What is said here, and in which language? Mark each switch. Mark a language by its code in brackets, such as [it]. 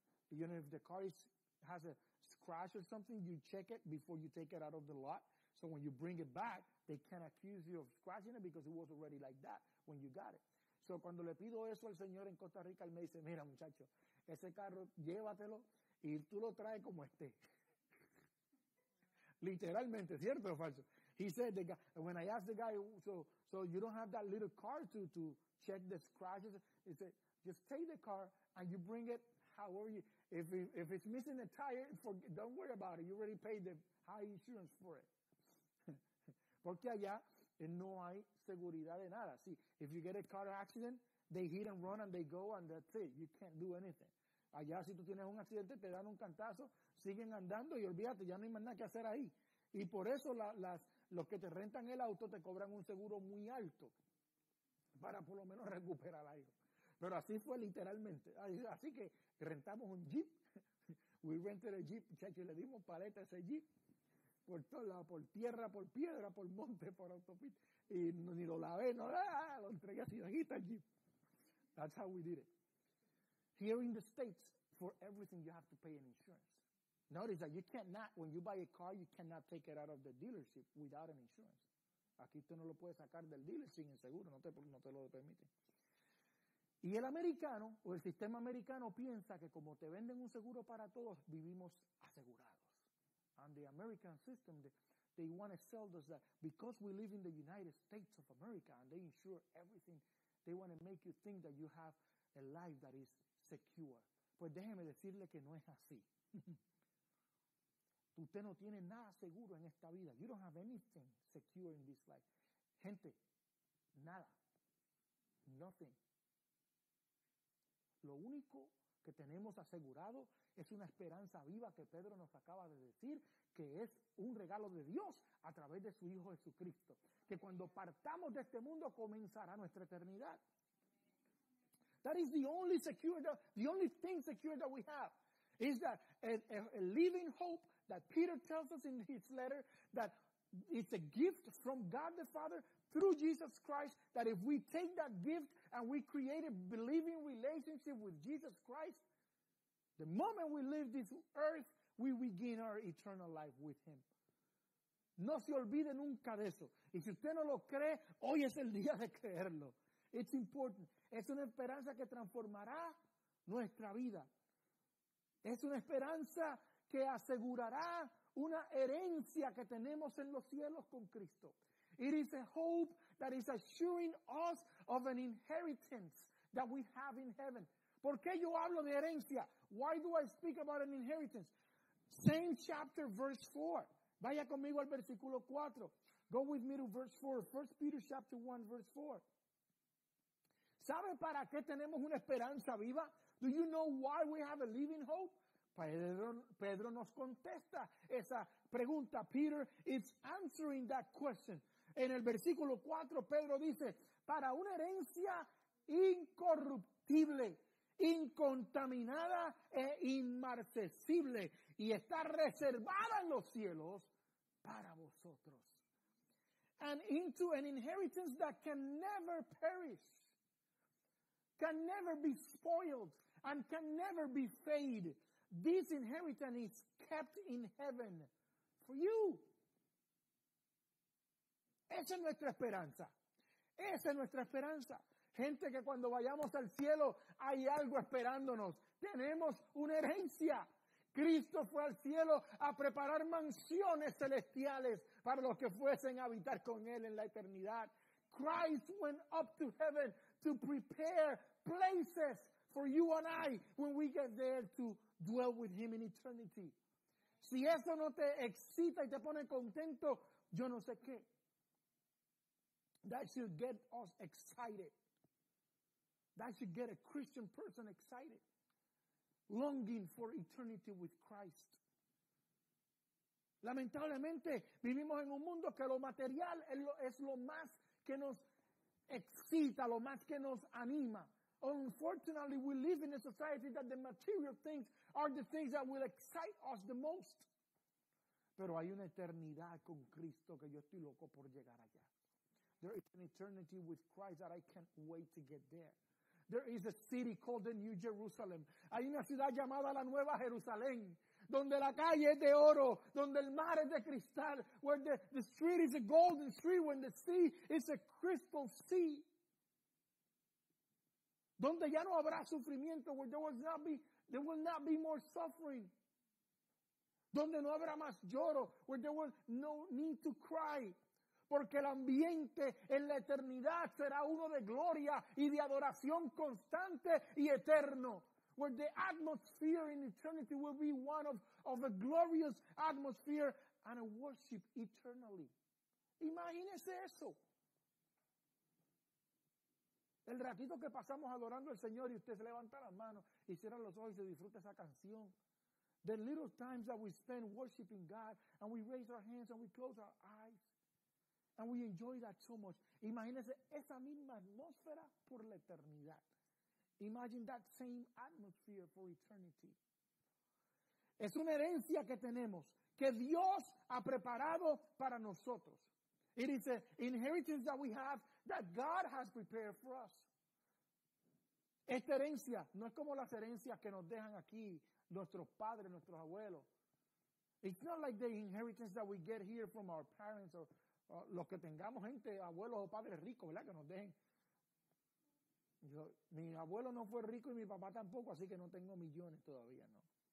[en] You know, if the car has a scratch or something, you check it before you take it out of the lot. So when you bring it back, they can't accuse you of scratching it because it was already like that when you got it. [es] So cuando le pido eso al señor en Costa Rica, él me dice, mira, muchacho, ese carro, llévatelo y tú lo traes como esté. Literalmente, ¿cierto o falso? [en] He said, when I asked the guy, so you don't have that little car to check the scratches? He said, just take the car and you bring it, how are you? If it's missing a tire, don't worry about it. You already paid the high insurance for it. [es] Porque allá no hay seguridad de nada. [en] See, if you get a car accident, they hit and run and they go and that's it. You can't do anything. [es] Allá si tú tienes un accidente, te dan un cantazo, siguen andando y olvídate, ya no hay más nada que hacer ahí. Y por eso los que te rentan el auto te cobran un seguro muy alto para por lo menos recuperar algo. Pero así fue literalmente. Así que rentamos un Jeep. [en] We rented a Jeep, [es] chacho, y le dimos paleta a ese Jeep. Por todo lado, por tierra, por piedra, por monte, por autopista. Y ni lo lavé, no, lo entregué así, aquí está el Jeep. [en] That's how we did it. Here in the States, for everything you have to pay an insurance. Notice that you cannot, when you buy a car, you cannot take it out of the dealership without an insurance. [es] Aquí tú no lo puedes sacar del dealer sin el seguro, no te lo permite. Y el americano, o el sistema americano, piensa que como te venden un seguro para todos, vivimos asegurados. [en] And the American system, they want to sell us that because we live in the United States of America and they insure everything, they want to make you think that you have a life that is secure. [es] Pues déjeme decirle que no es así. Usted no tiene nada seguro en esta vida. [en] You don't have anything secure in this life. [es] Gente, nada. [en] Nothing. [es] Lo único que tenemos asegurado es una esperanza viva que Pedro nos acaba de decir, que es un regalo de Dios a través de su Hijo Jesucristo. Que cuando partamos de este mundo comenzará nuestra eternidad. [en] That is the only thing secure that we have. Is that a living hope that Peter tells us in his letter that it's a gift from God the Father through Jesus Christ, that if we take that gift and we create a believing relationship with Jesus Christ, the moment we leave this earth, we begin our eternal life with Him. [es] No se olvide nunca de eso. Y si usted no lo cree, hoy es el día de creerlo. [en] It's important. [es] Es una esperanza que transformará nuestra vida. Es una esperanza que asegurará una herencia que tenemos en los cielos con Cristo. [en] It is a hope that is assuring us of an inheritance that we have in heaven. [es] ¿Por qué yo hablo de herencia? [en] Why do I speak about an inheritance? Same chapter, verse 4. [es] Vaya conmigo al versículo 4. [en] Go with me to verse 4. 1 Peter chapter 1, verse 4. [es] ¿Sabe para qué tenemos una esperanza viva? [en] Do you know why we have a living hope? [es] Pedro nos contesta esa pregunta. [en] Peter is answering that question. [es] En el versículo 4, Pedro dice, para una herencia incorruptible, incontaminada e inmarcesible, y está reservada en los cielos para vosotros. [en] And into an inheritance that can never perish, can never be spoiled, and can never be fade. This inheritance is kept in heaven for you. [es] Esa es nuestra esperanza. Esa es nuestra esperanza. Gente, que cuando vayamos al cielo hay algo esperándonos. Tenemos una herencia. Cristo fue al cielo a preparar mansiones celestiales para los que fuesen a habitar con Él en la eternidad. [en] Christ went up to heaven to prepare places for you and I when we get there to dwell with Him in eternity. [es] Si eso no te excita y te pone contento, yo no sé qué. [en] That should get us excited. That should get a Christian person excited. Longing for eternity with Christ. [es] Lamentablemente, vivimos en un mundo que lo material es lo más que nos excita, lo más que nos anima. [en] Unfortunately, we live in a society that the material things are the things that will excite us the most. [es] Pero hay una eternidad con Cristo que yo estoy loco por llegar allá. [en] There is an eternity with Christ that I can't wait to get there. There is a city called the New Jerusalem. [es] Hay una ciudad llamada la Nueva Jerusalén, donde la calle es de oro, donde el mar es de cristal, [en] where the street is a golden street, when the sea is a crystal sea. [es] Donde ya no habrá sufrimiento, [en] where there will not be more suffering. [es] Donde no habrá más lloro, [en] where there will no need to cry. [es] Porque el ambiente en la eternidad será uno de gloria y de adoración constante y eterno. [en] Where the atmosphere in eternity will be one of a glorious atmosphere and a worship eternally. [es] Imagínese eso. El ratito que pasamos adorando al Señor y usted se levanta las manos y cierra los ojos y se disfruta esa canción. [en] The little times that we spend worshiping God and we raise our hands and we close our eyes. And we enjoy that so much. [es] Imagínese esa misma atmósfera por la eternidad. [en] Imagine that same atmosphere for eternity. [es] Es una herencia que tenemos, que Dios ha preparado para nosotros. [en] It is an inheritance that we have that God has prepared for us. [es] Esta herencia no es como las herencias que nos dejan aquí nuestros padres, nuestros abuelos. [en] It's not like the inheritance that we get here from our parents or [es] los que tengamos gente, abuelos o padres ricos, ¿verdad? Que nos dejen. Yo, mi abuelo no fue rico y mi papá tampoco, así que no tengo millones todavía, ¿no?